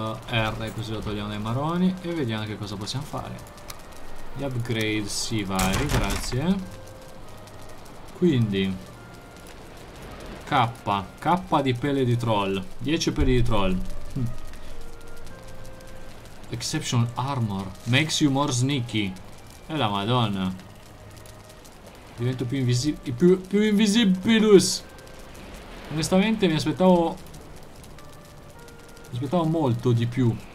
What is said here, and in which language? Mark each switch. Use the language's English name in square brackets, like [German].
[Italian] R, così lo togliamo dai maroni. E vediamo che cosa possiamo fare. Gli upgrade, sì, vai, grazie. Quindi K, K di pelle di troll. 10 pelle di troll. [English] Exceptional armor makes you more sneaky. [Italian] E la madonna. Divento più invisibile. Più invisibilus. Onestamente mi aspettavo. Mi aspettavo molto di più.